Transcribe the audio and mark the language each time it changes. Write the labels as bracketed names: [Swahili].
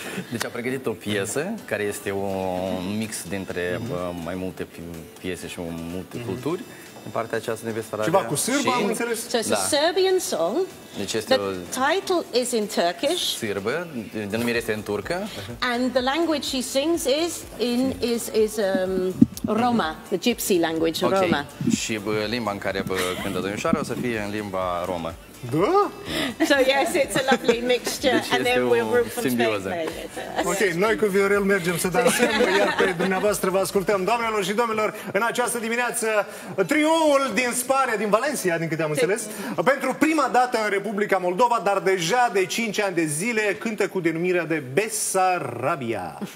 [Romanian] Deci a pregătit o piesă care este un mix dintre mai multe piese și multe culturi. În partea aceasta de Besarabia. Ceva cu sârbă, am înțeles? [English] So it's a Serbian song. [Romanian] Deci este [English] the [Romanian] o... [English] title is in Turkish. [Romanian] Sârbă, denumirea este în turcă. [English] And the language she sings is Roma, the gypsy language, okay. Roma. [Romanian] Și limba în care cântă domnișoară o să fie în limba romă. Da? [English] So yes, it's a lovely mixture. [Romanian] Deci [English] and then we'll root from [Romanian] simbioză. Ok, noi cu Viorel mergem să dansăm, iar pe dumneavoastră vă ascultăm. Doamnelor și domnilor, în această dimineață, trioul din Spania, din Valencia, din câte am înțeles, pentru prima dată în Republica Moldova, dar deja de 5 ani de zile, cântă cu denumirea de Besarabia.